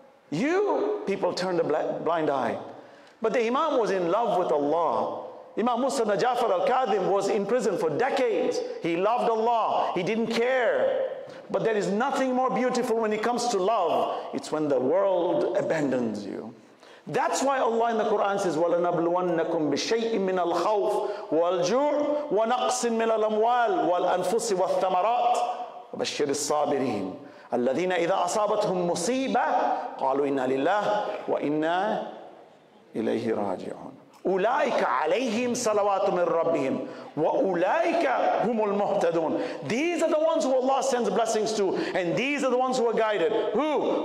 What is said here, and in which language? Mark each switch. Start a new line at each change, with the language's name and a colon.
English: You, people turned a blind eye. But the Imam was in love with Allah. Imam Musa bin Ja'far al-Kadhim was in prison for decades. He loved Allah. He didn't care. But there is nothing more beautiful when it comes to love. It's when the world abandons you.
Arabic: That's why Allah in the Quran says, وَلَنَبْلُوَنَّكُمْ بِشَيْءٍ مِّنَ الْخَوْفِ وَالْجُوعِ وَنَقْصٍ مِّنَ الْأَمْوَالِ وَالْأَنفُسِ وَالثَّمَرَاتِ وَبَشِّرِ الصَّابِرِينَ الَّذِينَ إِذَا أَصَابَتْهُمْ مُصِيبَةٌ قَالُوا إِنَّا لِلَّهِ وَإِنَّا إِلَيْهِ رَاجِعُونَ أُولَٰئِكَ عَلَيْهِمْ صَلَوَاتٌ مِّن رَّبِّهِمْ وَأُولَٰئِكَ هُمُ الْمُهْتَدُونَ.
English: These are the ones who Allah sends blessings to, and these are the ones who are guided. Who?